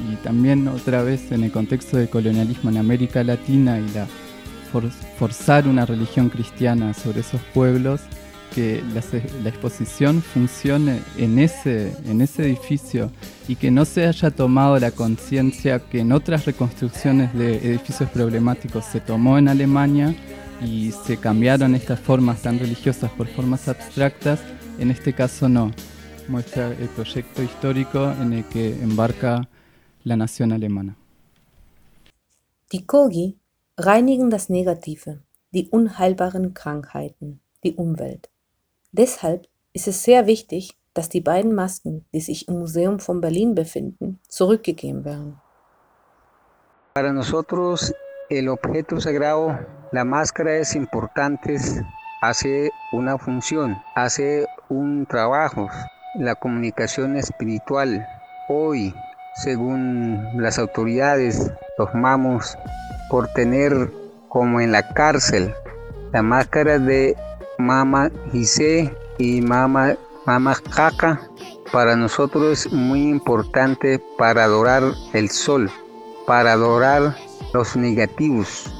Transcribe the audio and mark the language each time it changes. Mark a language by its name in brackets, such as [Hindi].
[Spanish] Y también otra vez en el contexto del colonialismo en América Latina y la forzar una religión cristiana sobre esos pueblos, que la exposición funcione en ese edificio y que no se haya tomado la conciencia que en otras reconstrucciones de edificios problemáticos se tomó en Alemania y se cambiaron estas formas tan religiosas por formas abstractas, en este caso no. Muestra el proyecto histórico en el que embarca la nación alemana. [German] Die Kogi reinigen das Negative, die unheilbaren Krankheiten, die Umwelt. Deshalb ist es sehr wichtig, dass die beiden Masken, die sich im Museum von Berlin befinden, zurückgegeben werden. [Spanish] Para nosotros el objeto sagrado, la máscara es importante, hace una función, hace un trabajo, la comunicación espiritual. Hoy, según las autoridades, los mamos, por tener como en la cárcel la máscara de Mama Gise y Mama Kaka, para nosotros es muy importante para adorar el sol, para adorar los negativos.